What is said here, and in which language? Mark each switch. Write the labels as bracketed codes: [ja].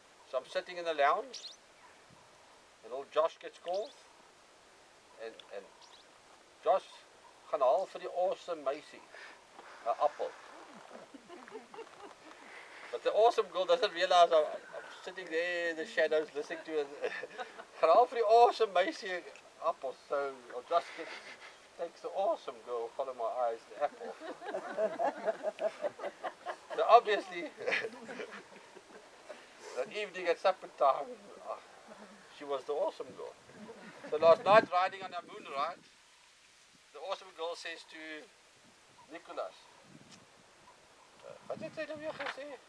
[en] So I'm sitting in the lounge, and old Josh gets called, and Josh [af] gaan haal vir die awesome meisie, 'n appel. [en] But the awesome girl doesn't realize I'm sitting there in the shadows listening to it. [af] Gaan haal vir die awesome meisie, 'n appel. [en] So old Josh takes the awesome girl, follow my eyes, the apple. So obviously, that evening at supper time, she was the awesome girl. So last night, riding on our moon ride, the awesome girl says to Nicholas, what did you say?